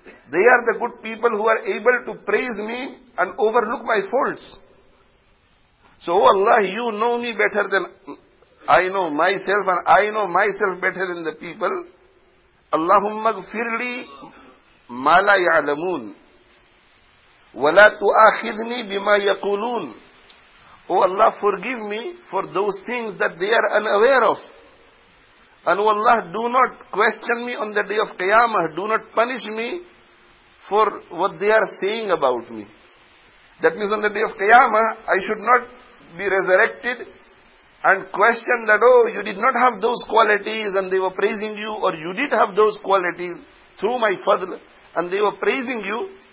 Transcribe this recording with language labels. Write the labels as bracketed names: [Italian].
[English] They are the good people who are able to praise me and overlook my faults. So, O Allah, you know me better than I know myself, and I know myself better than the people. [Arabic] Allahumma gfirli ما لا يعلمون ولا تؤاخذني بما يقولون. [English] Oh Allah, forgive me for those things that they are unaware of. And oh Allah, do not question me on the day of Qiyamah. Do not punish me for what they are saying about me. That means on the day of Qiyamah, I should not be resurrected and question that, oh, you did not have those qualities and they were praising you, or you did have those qualities through my fadl and they were praising you.